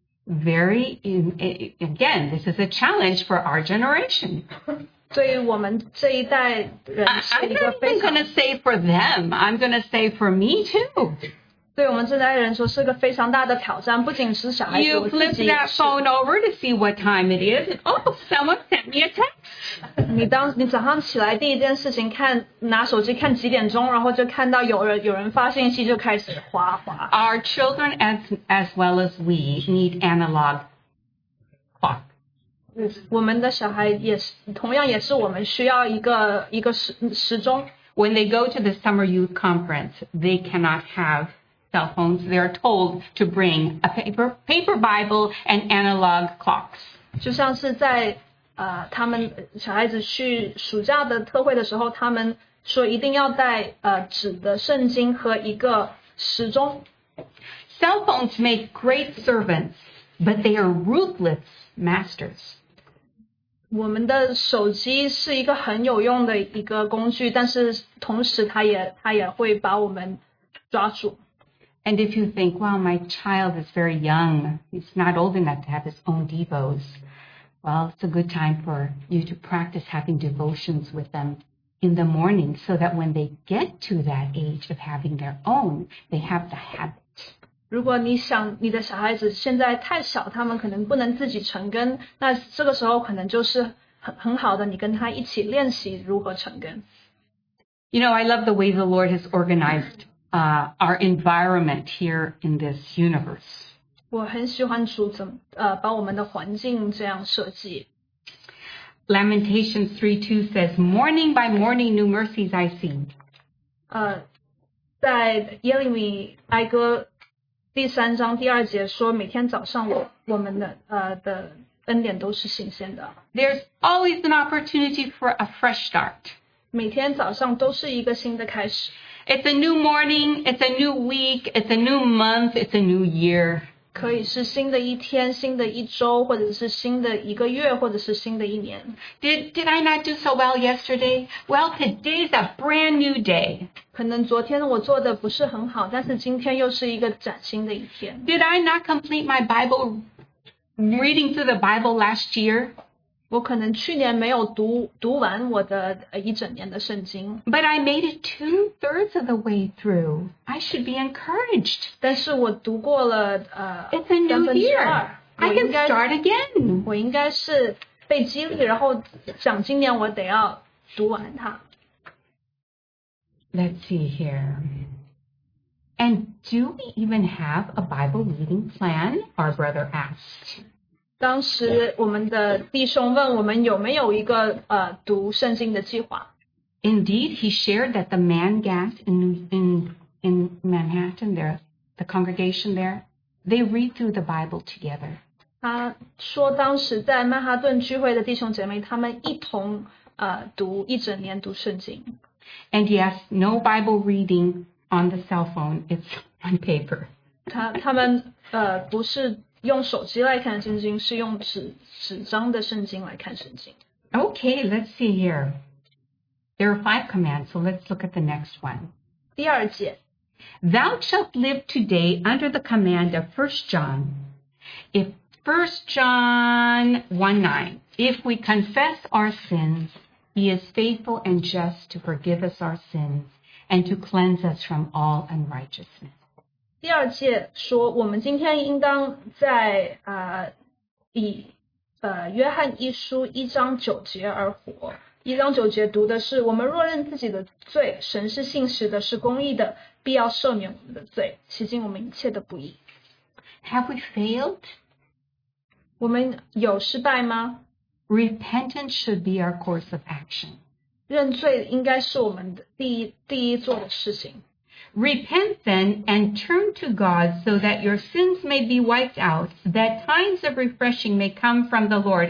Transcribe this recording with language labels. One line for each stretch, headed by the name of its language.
English: Very, again, this is a challenge for our generation.
Chinese: 对于我们这一代人是一个非常
English: I'm not going to say for them, I'm going to say for me too.
Chinese: 对我们这代人说是个非常大的挑战，不仅是小孩子，我自己
English: You flip that phone over to see what time it is. Oh, someone sent me a text.
Chinese: 你早上起来第一件事情看拿手机看几点钟，然后就看到有人发信息，就开始滑。
English: Our children as well as we need analog clock.
Chinese: 我们的小孩也是，同样也是我们需要一个时钟。
English: When they go to the summer youth conference, they cannot have cell phones. They are told to bring a paper Bible and analog clocks.
Chinese: 就像是在他们小孩子去暑假的特会的时候，他们说一定要带纸的圣经和一个时钟。
English: Cell phones make great servants, but they are ruthless masters.
Chinese: 我们的手机是一个很有用的一个工具，但是同时它也会把我们抓住。
English: And if you think, well, my child is very young, he's not old enough to have his own devos. Well, it's a good time for you to practice having devotions with them in the morning so that when they get to that age of having their own, they have the habit.
Chinese: 如果你想你的小孩子现在太小，他们可能不能自己成根，那这个时候可能就是很好的，你跟他一起练习如何成根。
English: You know, I love the way the Lord has organized our environment here in this universe.
Chinese: 我很喜欢主怎么把我们的环境这样设计。
English: Lamentations 3:2 says, "Morning by morning, new mercies I see."
Chinese: 在耶利米哀歌第三章第二节说，每天早上我们的的恩典都是新鲜的。
English: There's always an opportunity for a fresh start.
Chinese: 每天早上都是一个新的开始。
English: It's a new morning, it's a new week, it's a new month, it's a new year.
Chinese: 可以是新的一天，新的一周，或者是新的一个月，或者是新的一年。
English: Did I not do so well yesterday? Well, today's a brand new day.
Chinese: 可能昨天我做的不是很好，但是今天又是一个崭新的一天。
English: Did I not complete my Bible, reading through the Bible last year?
Chinese: 我可能去年没有读完我的一整年的圣经。
English: But I made it 2/3 of the way through. I should be encouraged.
Chinese: 但是我读过了
English: It's a new year. I can start again.
Chinese: 我应该是被激励，然后想今年我得要读完它。
English: Let's see here. And do we even have a Bible reading plan? Our brother asked.
Chinese: 当时我们的弟兄问我们有没有一个读圣经的计划。
English: Indeed, he shared that the man gas in Manhattan, the congregation there, they read through the Bible together.
Chinese: 他说当时在曼哈顿聚会的弟兄姐妹，他们一同读一整年读圣经。
English: And yes, no Bible reading on the cell phone. It's on paper.
Chinese: 他们不是。用手机来看圣经，是用纸张的圣经来看圣经。
English: Okay, let's see here. There are 5 commands, so let's look at the next one.
Chinese: 第二节。
English: Thou shalt live today under the command of 1 John. If 1 John 1:9, if we confess our sins, he is faithful and just to forgive us our sins and to cleanse us from all unrighteousness.
Chinese: 第二节说，我们今天应当在约翰一书一章九节而活。一章九节读的是，我们若认自己的罪，神是信实的，是公义的，必要赦免我们的罪，洗净我们一切的不义。
English: Have we failed?
Chinese: 我们有失败吗？
English: Repentance should be our course of action.
Chinese: 认罪应该是我们的第一做的事情。
English: Repent then and turn to God so that your sins may be wiped out, that times of refreshing may come from the Lord.